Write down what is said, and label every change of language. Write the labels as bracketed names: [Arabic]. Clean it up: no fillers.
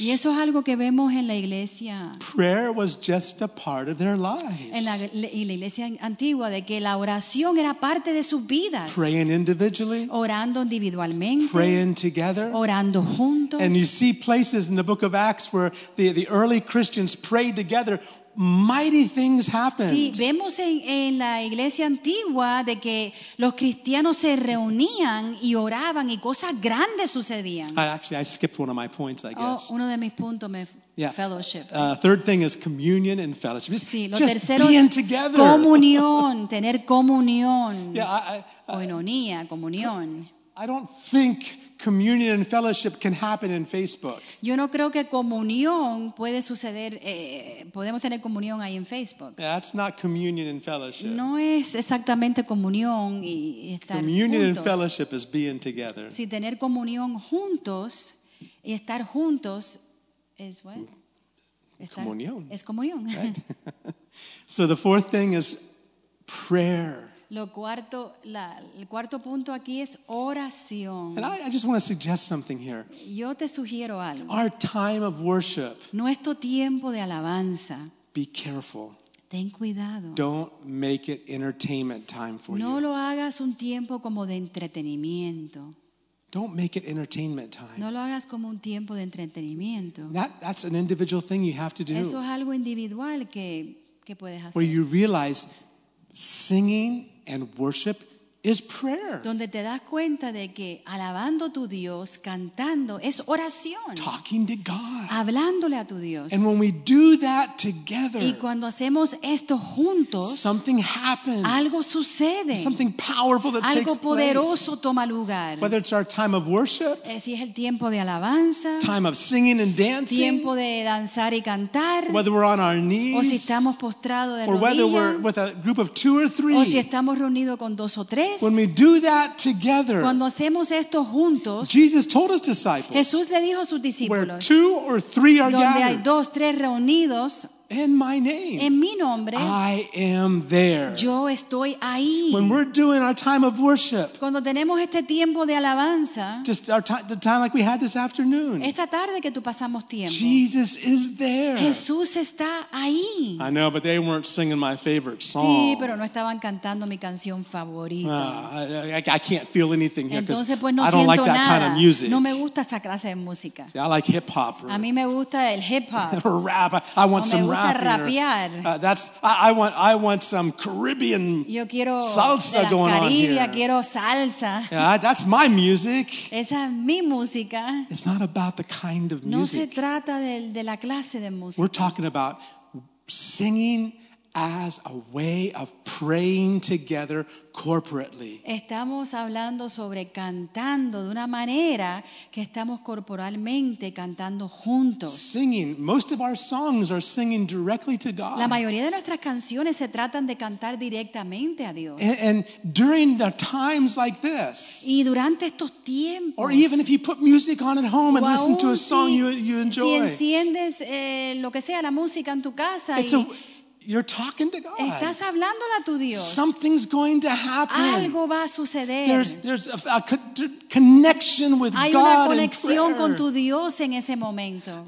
[Spanish] Y eso es algo que vemos en la iglesia. [English] Prayer was just a part of their lives. [Spanish] En la iglesia antigua de que la oración era parte de sus vidas. [English] Praying individually. [Spanish] Orando individualmente. [English] Praying together. [Spanish] Orando juntos. [English] And you see places in the book of Acts where the early Christians prayed together. Mighty things happened. [Spanish] Sí, vemos en la iglesia antigua de que los cristianos se reunían y oraban y cosas grandes sucedían. [English] I skipped one of my points, I guess. [Spanish] Uno de mis puntos me [English] yeah. Fellowship. Third thing is communion and fellowship. Just, [Spanish] sí, lo [English] just [Spanish] tercero [English] being [Spanish] es [English] together. [Spanish] Comunión, tener comunión. [English] Yeah, [Spanish] comunión. [English] I don't think communion and fellowship can happen in Facebook. [Spanish] Yo no creo que comunión puede suceder, podemos tener comunión ahí en Facebook. [English] That's not communion and fellowship. [Spanish] No es exactamente comunión y estar [English] communion [Spanish] juntos. [English] And fellowship is being together. [Spanish] Si tener comunión juntos y estar juntos es [English] what? [Spanish] Estar, comunión. Es comunión. [English] Right? So the fourth thing is prayer. [Spanish] Lo cuarto, el cuarto punto aquí es oración. [English] And I just want to suggest something here. [Spanish] Yo te sugiero algo. [English] Our time of worship. [Spanish] Nuestro tiempo de alabanza. [English] Be careful. [Spanish] Ten cuidado. [English] Don't make it entertainment time for you. [Spanish] No lo hagas un tiempo como de entretenimiento. [English] Don't make it entertainment time. [Spanish] No lo hagas como un tiempo de entretenimiento. [English] That's an individual thing you have to do. [Spanish] Eso es algo individual que puedes hacer. [English] Where you realize singing and worship is prayer. [Spanish] Donde te das cuenta de que alabando tu Dios, cantando, es oración. [English] Talking to God. [Spanish] Hablándole a tu Dios. [English] And when we do that together, [Spanish] y cuando hacemos esto juntos, [English] something happens. [Spanish] Algo sucede. [English] Something powerful that [Spanish] algo [English] takes [Spanish] poderoso [English] place. [Spanish] Toma lugar. [English] Whether it's our time of worship, [Spanish] si es el tiempo de alabanza, [English] time of singing and dancing, [Spanish] tiempo de danzar y cantar, [English] whether we're on our knees, [Spanish] o si estamos postrados de [English] or [Spanish] rodillas, [English] whether we're with a group of two or three, [Spanish] o si estamos reunidos con dos o tres. [English] When we do that together, [Spanish] cuando hacemos esto juntos, [English] Jesus told his disciples, [Spanish] Jesús le dijo a sus discípulos, [English] where two or three are [Spanish] donde [English] gathered, [Spanish] hay dos, tres reunidos, [English] in my name, [Spanish] en mi nombre, [English] I am there. [Spanish] Yo estoy ahí. [English] When we're doing our time of worship, [Spanish] cuando tenemos este tiempo de alabanza, [English] just our the time like we had this afternoon, [Spanish] esta tarde que tú pasamos tiempo, [English] Jesus is there. [Spanish] Jesús está ahí. [English] I know, but they weren't singing my favorite song. [Spanish] Sí, pero no estaban cantando mi canción favorita. [English] I can't feel anything here because [Spanish] pues, no [English] I don't like [Spanish] nada. [English] That kind of music. [Spanish] No me gusta esa clase de música. [English] See, I like hip hop. [Spanish] A mí me gusta el hip hop. [English] Rap. I want [Spanish] no [English] some rapping. I want some Caribbean salsa going [Spanish] Caribia, [English] on here. [Spanish] Salsa. [English] Yeah, that's my music. [Spanish] Esa es mi música. [English] It's not about the kind of music. [Spanish] No se trata de la clase de música. [English] We're talking about singing as a way of praying together corporately. [Spanish] Estamos hablando sobre cantando de una manera que estamos corporalmente cantando juntos. [English] Singing, most of our songs are singing directly to God. [Spanish] La mayoría de nuestras canciones se tratan de cantar directamente a Dios. [English] And during the times like this, [Spanish] y durante estos tiempos, [English] or even if you put music on at home and listen to a song you enjoy, [Spanish] si enciendes lo que sea la música en tu casa y [English] you're talking to God. [Spanish] Estás hablándole a tu Dios. [English] Something's going to happen. [Spanish] Algo va a suceder. [English] There's a connection with [Spanish] hay [English] God in prayer. [Spanish] Hay una conexión con tu Dios en ese momento.